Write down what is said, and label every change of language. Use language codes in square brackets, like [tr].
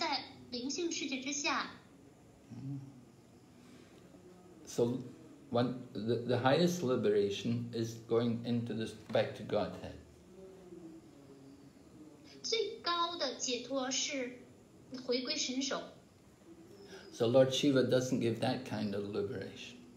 [zh] 那在这一章当中，我们也听到了有关于Mahakalapur这个地方解脱之地，它已经是在物质宇宙之外了，但它还在灵性世界之下。 [en] So, the highest liberation is going into this back to Godhead. [zh] 最高的解脱是回归神首。So [en] Lord Shiva doesn't give that kind of liberation.